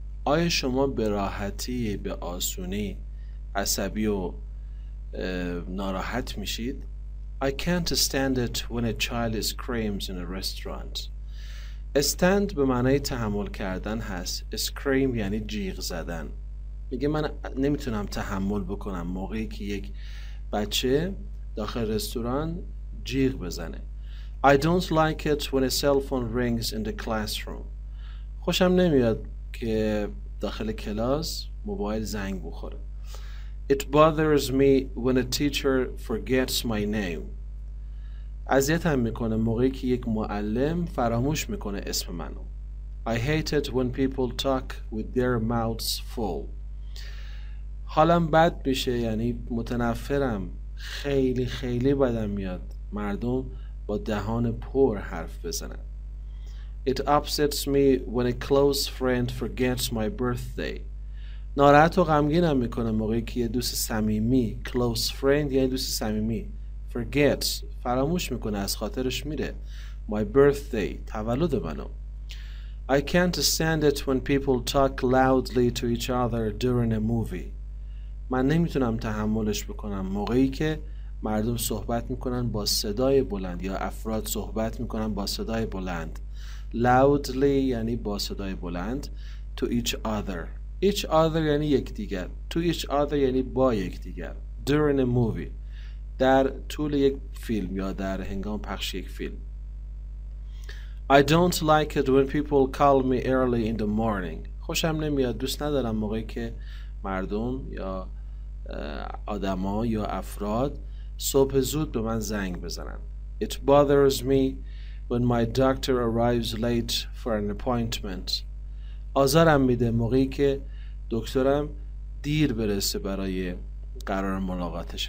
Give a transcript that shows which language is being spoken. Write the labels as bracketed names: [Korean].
[Persian] آیا شما به راحتی به آسونی عصبی و ناراحت میشید؟ [English] I can't stand it when a child screams in a restaurant. [Persian] Stand به معنی تحمل کردن هست. Scream یعنی جیغ زدن. میگه من نمیتونم تحمل بکنم موقعی که یک بچه داخل رستوران جیغ بزنه. [English] I don't like it when a cell phone rings in the classroom. [Persian] خوشم نمیاد که داخل کلاس موبایل زنگ بخوره. [English] It bothers me when a teacher forgets my name. [Persian] اذیتم میکنه موقعی که یک معلم فراموش میکنه اسم منو. [English] I hate it when people talk with their mouths full. [Persian] حالم بد میشه، یعنی متنفرم، خیلی خیلی بدم میاد مردم با دهان پر حرف بزنن. [English] It upsets me when a close friend forgets my birthday. [Persian] ناراحت و غمگینم میکنه موقعی که یه دوست صمیمی، close friend یعنی دوست صمیمی، forgets، فراموش میکنه، از خاطرش میره [English] my birthday، [Persian] تولد منو. [English] I can't stand it when people talk loudly to each other during a movie. [Persian] من نمیتونم تحملش بکنم موقعی که مردم صحبت میکنن با صدای بلند، یا افراد صحبت میکنن با صدای بلند. Loudly یعنی با صدای بلند. [English] To each other. Each other [Persian] یعنی یک دیگر. [English] To each other [Persian] یعنی با یک دیگر. [English] During a movie. [Persian] در طول یک فیلم یا در هنگام پخش یک فیلم. [English] I don't like it when people call me early in the morning. [Persian] خوشم نمیاد، دوست ندارم موقعی که مردم یا آدم ها یا افراد صبح زود به من زنگ بزنن. [English] It bothers me when my doctor arrives late for an appointment. [Persian] آزارم میده موقعی که دکترم دیر برسه برای قرار ملاقاتش.